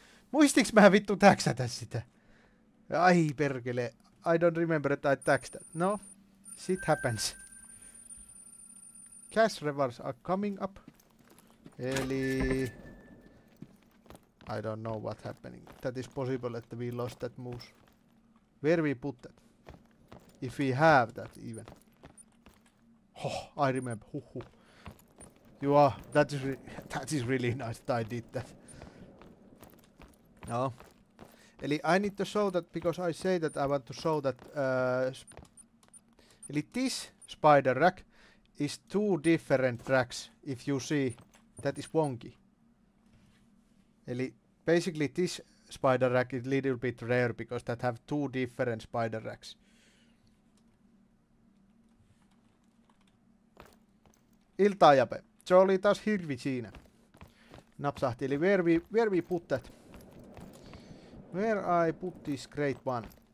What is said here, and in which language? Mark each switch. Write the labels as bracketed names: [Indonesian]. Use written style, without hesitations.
[Finnish] Muistiks mä vittu täksätä sitä? Ai perkele. [English] I don't remember that I text that. No. Shit happens. Cash rewards are coming up. Eli... I don't know what happening. That is possible that we lost that moose. Where we put that? If we have that even. Oh, I remember. Huhhuh. You are... That is really nice that I did that. No. Eli I need to show that because I say that I want to show that... Eli this spider rack is two different tracks, if you see, that is wonky. Eli basically this spider rack is little bit rare because that have two different spider racks. [Finnish] Iltaa Jape, se oli taas hirvi siinä. [English] Napsahti, eli where we put that? Where I put this great one?